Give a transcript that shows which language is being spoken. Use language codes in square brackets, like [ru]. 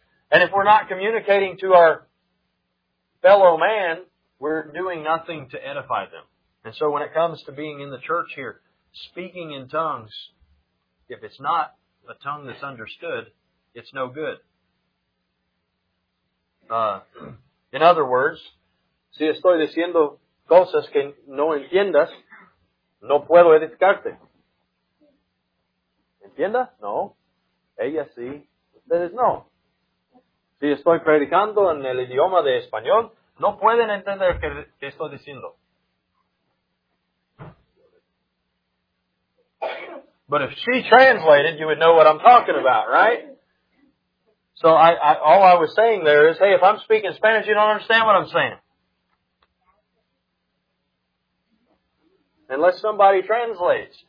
[en] And if we're not communicating to our fellow man, we're doing nothing to edify them. And so when it comes to being in the church here, speaking in tongues, if it's not a tongue that's understood, it's no good. In other words, [es] si estoy diciendo cosas que no entiendas, no puedo edificarte. ¿Entiendes? No. Ella sí. Entonces, no. Si estoy predicando en el idioma de español, no pueden entender qué estoy diciendo. [en] But if she translated, you would know what I'm talking about, right? So all I was saying there is, hey, if I'm speaking Spanish, you don't understand what I'm saying. Unless somebody translates.